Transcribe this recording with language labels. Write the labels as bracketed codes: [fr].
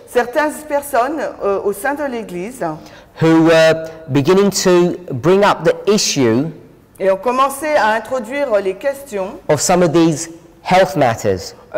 [fr] certaines personnes au sein de l'église, [en] who were beginning to bring up the issue [fr] et ont commencé à introduire les questions [en] of some of these health matters.